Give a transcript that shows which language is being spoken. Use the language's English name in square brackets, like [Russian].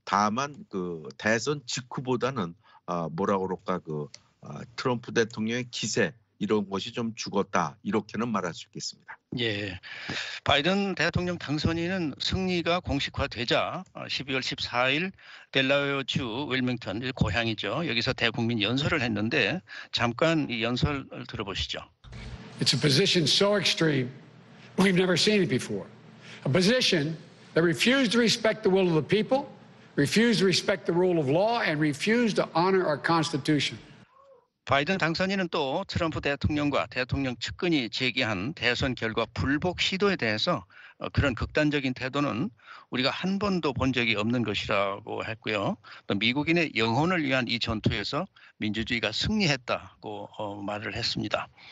[Korean] 다만 그 대선 직후보다는 뭐라고 그럴까 그 트럼프 대통령의 기세 이런 것이 좀 죽었다 이렇게는 말할 수 있겠습니다. 예, 바이든 대통령 당선인은 승리가 공식화되자 12월 14일 델라웨어주 윌밍턴 고향이죠. 여기서 대국민 연설을 했는데 잠깐 이 연설을 들어보시죠. [English] It's a position so extreme we've never seen it before. A position that refused to respect the will of the people, refused to respect the rule of law, and refused to honor our Constitution. [Korean] 바이든 당선인은 또 트럼프 대통령과 대통령 측근이 제기한 대선 결과 불복 시도에 대해서 그런 극단적인 태도는 우리가 한 번도 본 적이 없는 것이라고 했고요. 또 미국인의 영혼을 위한 이 전투에서 민주주의가 승리했다고 말을 했습니다.